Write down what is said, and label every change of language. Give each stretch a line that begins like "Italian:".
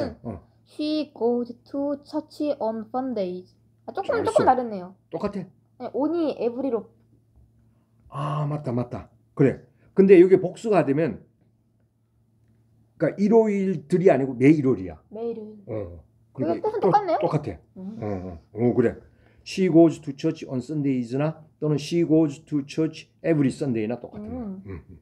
Korean: 그녀는
English: she goes to church on Sundays.
Korean: 아, 조금 잘했어. 다르네요. 똑같아. 네,
English: only every
Korean: 로. 아, 맞다. 그래. 근데 이게 복수가 되면, 그러니까 일요일들이 아니고 매 일요일이야. 매일은. 그래서 그게 뜻은 똑같네요. 똑같아. 그래.
English: She goes to church on Sundays
Korean: 나 또는
English: she goes to church every Sunday나 똑같은 거야.